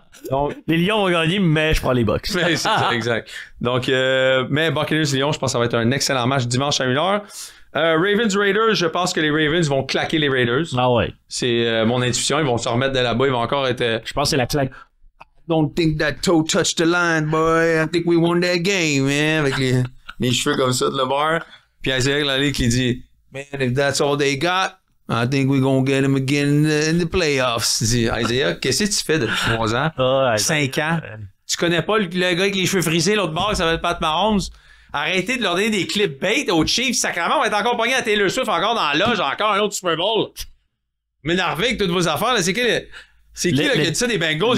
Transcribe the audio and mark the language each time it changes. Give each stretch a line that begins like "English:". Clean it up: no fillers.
French: Donc, les Lions vont gagner, mais je prends les Bucks. Mais c'est ça, exact. Donc, mais Buccaneers-Lions, je pense que ça va être un excellent match dimanche à 1h. Ravens-Raiders, je pense que les Ravens vont claquer les Raiders. Ah ouais. C'est mon intuition, ils vont se remettre de là-bas, ils vont encore être... Je pense que c'est la claque.
English: I don't think that toe touched the line, boy. I think we won that game, man.
French: Avec les cheveux comme ça de le bar. Puis Isaiah Lalique qui dit,
English: man, if that's all they got, I think we're gonna get him again in the playoffs.
French: Dit Isaiah, qu'est-ce que tu fais depuis 3 ans? 5 ans? Tu connais pas le gars avec les cheveux frisés l'autre bord qui s'appelle Pat Mahomes? Arrêtez de leur donner des clips bait aux Chiefs. Sacrément, on va être accompagné à Taylor Swift encore dans la loge, encore un autre Super Bowl. M'énerver avec toutes vos affaires, là. C'est qui, là, qui a dit ça des Bengals?